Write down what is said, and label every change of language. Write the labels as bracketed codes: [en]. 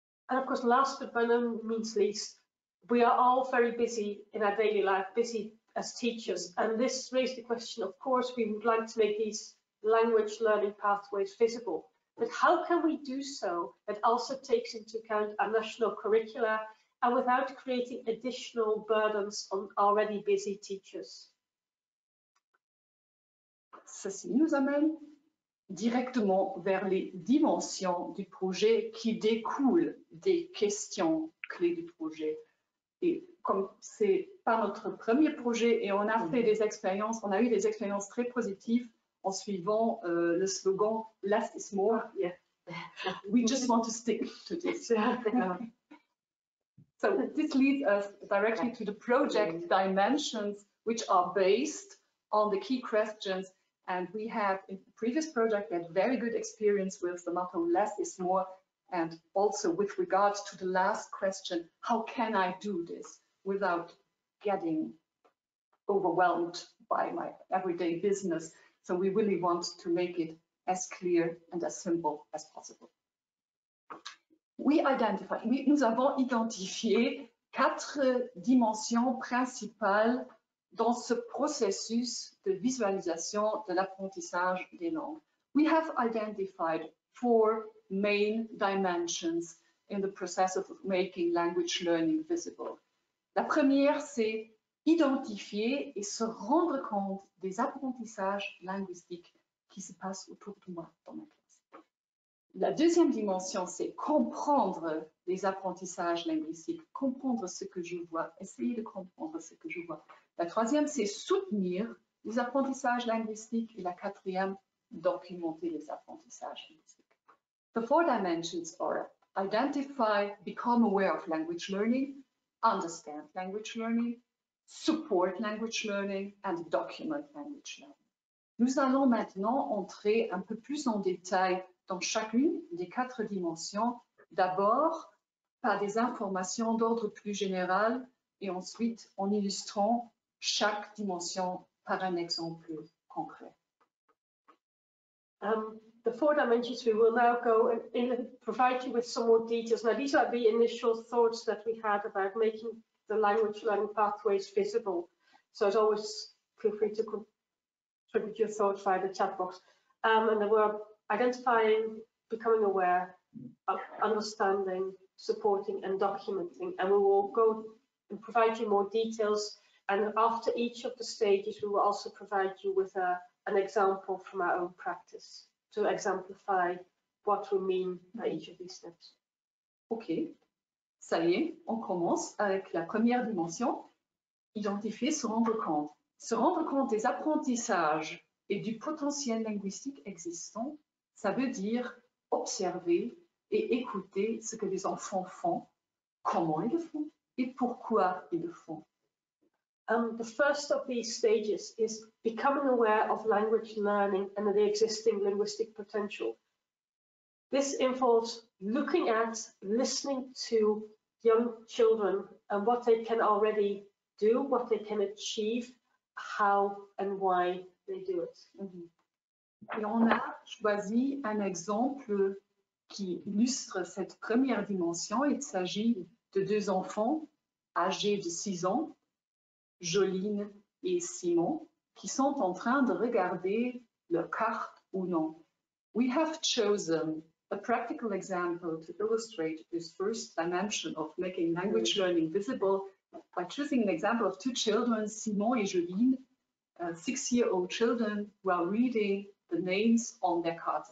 [en] And of course, last but by no means least, we are all very busy in our daily life, busy as teachers, and this raised the question, of course, we would like to make these language learning pathways visible, but how can we do so that also takes into account our national curricula and without creating additional burdens on already busy teachers? [fr] Ceci nous amène directement vers les dimensions du projet qui découlent des questions clés du projet. Et comme ce n'est pas notre premier projet et on a fait des expériences, on a eu des expériences très positives, en suivant le slogan [en] Last is more. Oh, yeah. We just want to stick to this. So this leads us directly to the project dimensions, which are based on the key questions. And we have in the previous project had very good experience with the motto less is more, and also with regards to the last question, how can I do this without getting overwhelmed by my everyday business? So we really want to make it as clear and as simple as possible. [fr] Nous avons identifié quatre dimensions principales dans ce processus de visualisation de l'apprentissage des langues. [en] We have identified four main dimensions in the process of making language learning visible. [fr] La première, c'est identifier et se rendre compte des apprentissages linguistiques qui se passent autour de moi dans ma classe. La deuxième dimension, c'est comprendre les apprentissages linguistiques, comprendre ce que je vois, essayer de comprendre ce que je vois. La troisième, c'est soutenir les apprentissages linguistiques. Et la quatrième, documenter les apprentissages linguistiques. [en] The four dimensions are identify, become aware of language learning, understand language learning, support language learning, and document language learning. [fr] Nous allons maintenant entrer un peu plus en détail dans chacune des quatre dimensions, d'abord par des informations d'ordre plus général et ensuite en illustrant chaque dimension par un exemple concret. [en] The four dimensions, we will now go and provide you with some more details. Now, these are the initial thoughts that we had about making the language learning pathways visible. So as always, feel free to contribute your thoughts via the chat box. And they were identifying, becoming aware, understanding, supporting, and documenting. And we will go and provide you more details. And after each of the stages, we will also provide you with an example from our own practice to exemplify what we mean by each of these steps. [fr] Okay, ça y est, on commence avec la première dimension, identifier, se rendre compte. Se rendre compte des apprentissages et du potentiel linguistique existant, ça veut dire observer et écouter ce que les enfants font, comment ils le font et pourquoi ils le font. [en] The first of these stages is becoming aware of language learning and the existing linguistic potential. This involves looking at, listening to young children and what they can already do, what they can achieve, how and why they do it. [fr] Mm-hmm. Et on a choisi un exemple qui illustre cette première dimension. Il s'agit de deux enfants âgés de 6 ans. Joline et Simon, qui sont en train de regarder leur carte ou non. [en] We have chosen a practical example to illustrate this first dimension of making language learning visible by choosing an example of two children, Simon et Joline, 6-year-old children, who are reading the names on their cards.